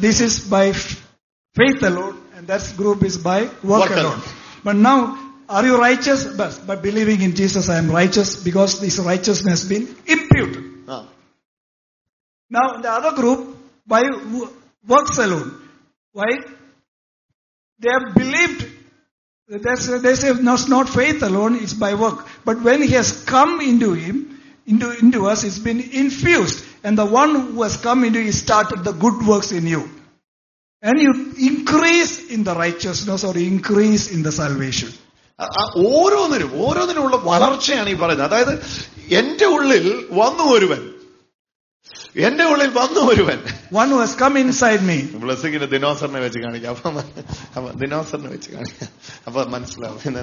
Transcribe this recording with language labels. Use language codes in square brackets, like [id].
[en] This is by faith alone, and that group is by work alone. But now, are you righteous? Yes, but believing in Jesus, I am righteous, because this righteousness has been imputed. Now, in the other group, by works alone, why? They have believed. They say, no, it's not faith alone, it's by work. But when he has come into him, into us, it's been infused. And the one who has come into you, he started the good works in you. And you increase in the righteousness, or increase in the salvation. [ml] ഓരോന്നിനും ഓരോന്നിനുമുള്ള വളർച്ചയാണ് ഈ പറയുന്നത്. അതായത് എന്റെ ഉള്ളിൽ വന്നു ഒരുവൻ, എന്റെ ഉള്ളിൽ വന്നു ഒരുവൻ, [en] One who has come inside me. [ml] ബ്ലെസ്സിങ്ങിന്റെ ദിനോസറിനെ വെച്ച് കാണിക്കാം. അപ്പൊ ദിനോസറിനെ വെച്ച് കാണിക്കാം, അപ്പൊ മനസ്സിലാവും.